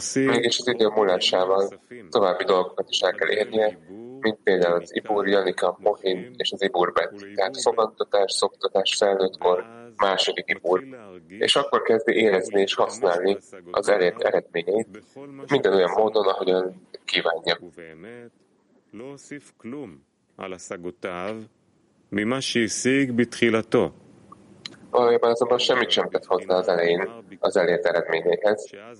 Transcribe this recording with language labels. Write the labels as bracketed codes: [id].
[hu] Mégis az idő múlásával további dolgokat is el kell érnie, mint például az Ibur, Janika, Mohin és az Ibur Bet, tehát fogantatás, szoktatás, felnőttkor, második Ibur, és akkor kezdi érezni és használni az elért eredményeit minden olyan módon, ahogyan kívánja. [he] לא הוסיף כלום על השגותיו ממה שהשיג בתחילתו. [hu] Valójában azonban semmit sem tett hozzá az elején az elért eredményéhez.